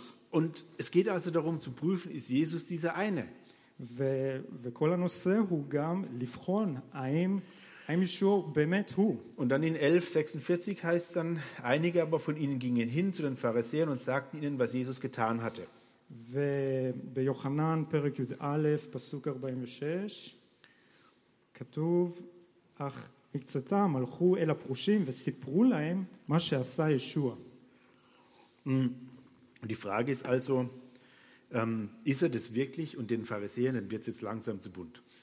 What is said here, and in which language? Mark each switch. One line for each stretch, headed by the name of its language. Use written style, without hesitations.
German: Und es geht also darum zu prüfen, ist Jesus dieser eine?
Hebrew: וכל הנושא הוא גם לבחון האם ישוע באמת הוא.
German: Und dann in 11:46 heißt dann, einige aber von ihnen gingen hin zu den Pharisäern und sagten ihnen, was Jesus getan hatte.
Hebrew: וביוחנן פרק י"א, פסוק 46, כתוב, אך מקצתם הלכו אל הפרושים וסיפרו להם מה שעשה ישוע.
German: Die Frage ist also, ist er das wirklich? Und den Pharisäern, dann wird es jetzt langsam zu bunt.